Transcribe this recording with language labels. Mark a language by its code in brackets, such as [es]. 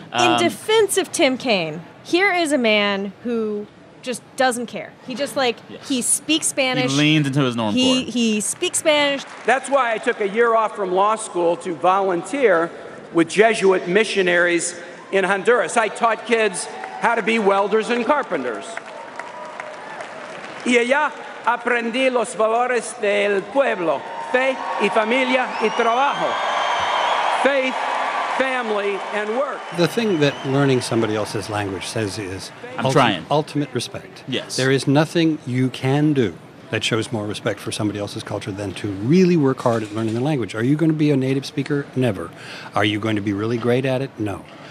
[en] In defense of Tim Kaine, here is a man who just doesn't care. He just like, yes. He speaks Spanish. He leans into his normcore. He speaks Spanish. That's why I took a year off from law school to volunteer with Jesuit missionaries in Honduras. I taught kids how to be welders and carpenters. [es] Y allá aprendí los valores del pueblo, fe y familia y trabajo. [en] Faith, family, and work. The thing that learning somebody else's language says is ultimate respect. Yes. There is nothing you can do that shows more respect for somebody else's culture than to really work hard at learning the language. Are you going to be a native speaker? Never. Are you going to be really great at it? No.